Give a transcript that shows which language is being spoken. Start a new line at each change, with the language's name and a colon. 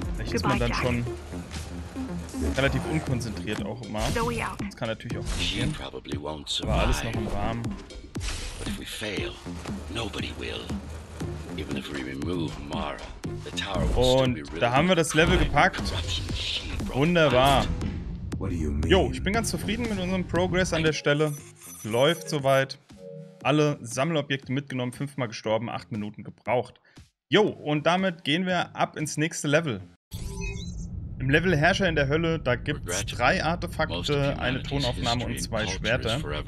German: Ist man dann schon relativ unkonzentriert auch immer. Das kann natürlich auch passieren. Aber alles noch im Rahmen.
English: But if we fail, nobody will. Even if we remove Mara, the tower will still be really.
German: Und da haben wir das Level gepackt. Wunderbar. Jo, ich bin ganz zufrieden mit unserem Progress an der Stelle. Läuft soweit. Alle Sammelobjekte mitgenommen, 5-mal gestorben, 8 Minuten gebraucht. Jo, und damit gehen wir ab ins nächste Level. Im Level Herrscher in der Hölle, da gibt es drei Artefakte, eine Tonaufnahme und zwei Schwerter.